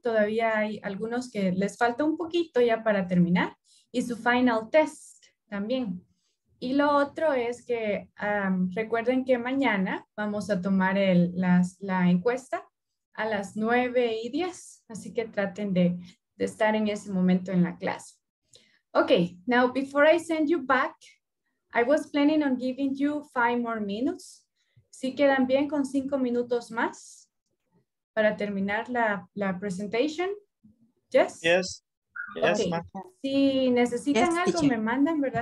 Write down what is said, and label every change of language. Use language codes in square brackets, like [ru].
[es] Todavía hay algunos que les falta un poquito ya para terminar. Y su final test también. Y lo otro es que recuerden que mañana vamos a tomar la encuesta a las 9:10. Así que traten de estar en ese momento en la clase. [en] Okay, now before I send you back, I was planning on giving you 5 more minutes. [es] Si quedan bien con 5 minutos más para terminar la presentation. [en] Yes? Yes. Okay. Yes, [es] si necesitan yes, algo, teacher. Me mandan, ¿verdad?